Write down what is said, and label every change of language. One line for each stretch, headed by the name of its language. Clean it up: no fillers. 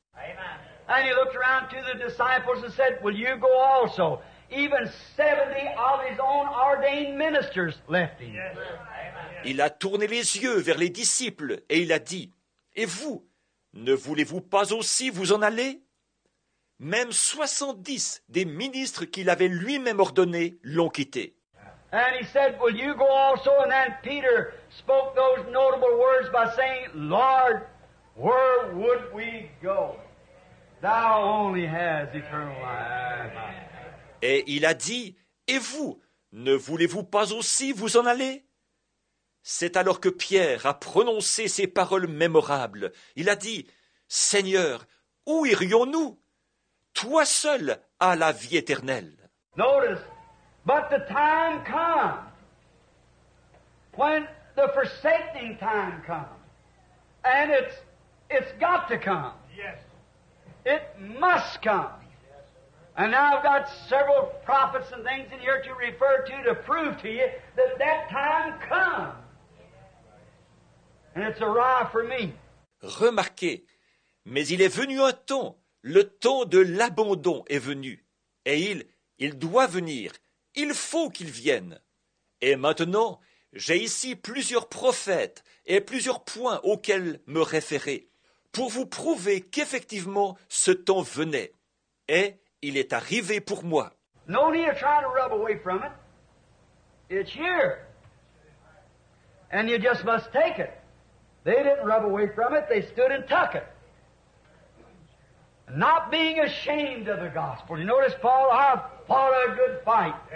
English: Amen. And he looked around to the disciples and said, will you go also? Even 70 of his own ordained ministers left him.
French: Il a tourné les yeux vers les disciples et il a dit, « Et vous, ne voulez-vous pas aussi vous en aller ?» Même 70 des ministres qu'il avait lui-même ordonnés l'ont quitté.
English: And he said, « Will you go also ?» And then Peter spoke those notable words by saying, « Lord, where would we go? Thou only has eternal life. »
French: Et il a dit, « Et vous, ne voulez-vous pas aussi vous en aller ?» C'est alors que Pierre a prononcé ces paroles mémorables. Il a dit, « Seigneur, où irions-nous ? Toi seul as la vie éternelle. »
English: Notice, but the time comes, when the forsaking time comes, and it's got to come. Yes. It must come. And now I've got several prophets and things in here to refer to prove to you that that time comes. And it's arrived for me.
French: Remarquez, mais il est venu un temps, le temps de l'abandon est venu. Et il doit venir, il faut qu'il vienne. Et maintenant, j'ai ici plusieurs prophètes et plusieurs points auxquels me référer pour vous prouver qu'effectivement ce temps venait. Et il est arrivé pour moi.
English: No need to try to rub away from it. It's here. And you just must take it. They didn't rub away from it. They stood and took it. Not being ashamed of the gospel. You notice, Paul, I've fought a good fight.